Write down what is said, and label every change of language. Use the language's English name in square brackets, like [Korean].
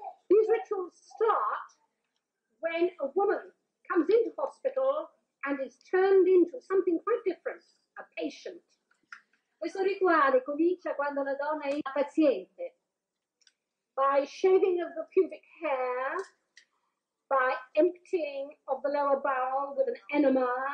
[English] These rituals start when a woman comes into hospital and is turned into something quite different, a patient. [Italian] Questo rituale comincia quando la donna è una paziente. [English] By shaving of the pubic hair, by emptying of the lower bowel with an enema.